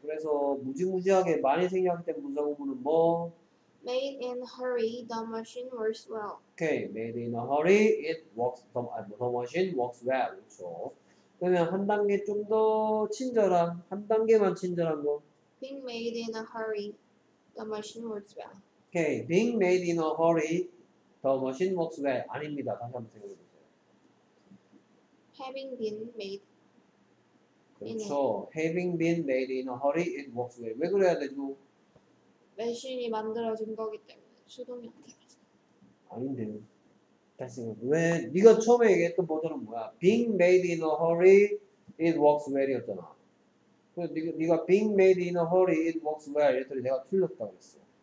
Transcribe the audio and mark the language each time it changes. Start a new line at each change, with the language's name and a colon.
Korean: 그래서 무지무지하게 많이 생략이 된 문장 부분은 뭐?
English: Made in hurry, the machine works well. Okay, made in a hurry, it works. The machine works well.
Korean: 그렇죠. 그러면 한 단계 좀 더 친절한 한 단계만 친절한 거.
English: Being made in a hurry, the machine works well. Okay, being made in a hurry, the machine works well.
Korean: 아닙니다. 다시 한번 생각해 보세요.
English: Having been made.
Korean: 그렇죠.
English: Having been made in a hurry, it works well.
Korean: 왜 그래야 되죠? 메신이 만들어진 거기 때문에 수동이 안 되겠죠. 아닌데요. 다시 생각해. 왜? 네가 처음에 얘기했던 버전은 뭐야?
English: Being made in a hurry, it works well이었잖아.
Korean: 그래서 네가
English: being made in a hurry, it works well
Korean: 이랬더니 내가 틀렸다고 했어.